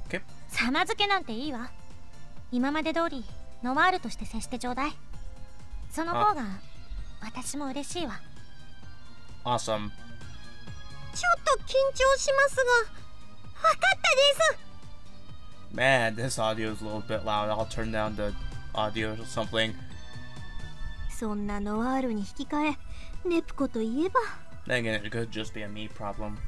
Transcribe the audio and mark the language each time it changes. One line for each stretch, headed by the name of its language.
English: Okay。
Japanese: さま付けなんていいわ。今まで通り。ノワールとして接してちょうだい。その方が私も嬉しいわ。
English: Awesome。
Japanese: ちょっと緊張しますが、わかったです。
English: Man, this audio is a little bit loud. I'll turn down the audio or something.
Japanese: そんなノワールに引き換え、ネプコといえば。
English: Then again, it could just be a me problem.